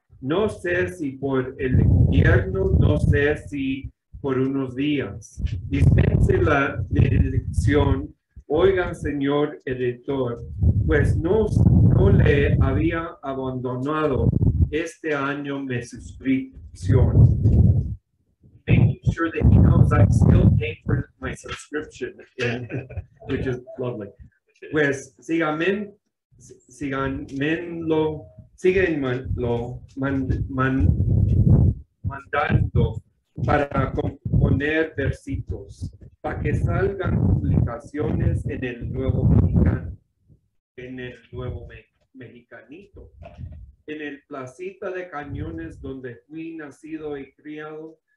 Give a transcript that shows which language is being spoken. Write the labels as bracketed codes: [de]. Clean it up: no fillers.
[es] No sé si por el invierno, no sé si por unos días. Dispense la dirección, oiga, señor editor, pues no le había abandonado este año mi suscripción. [en] Making sure that he knows I still paid for my subscription, and, which is lovely. [es] Pues síganmelo mandando para componer versitos, para que salgan publicaciones en el Nuevo Mexicano, en el Nuevo Mexicanito, en el Placita de Cañones donde fui nacido y criado.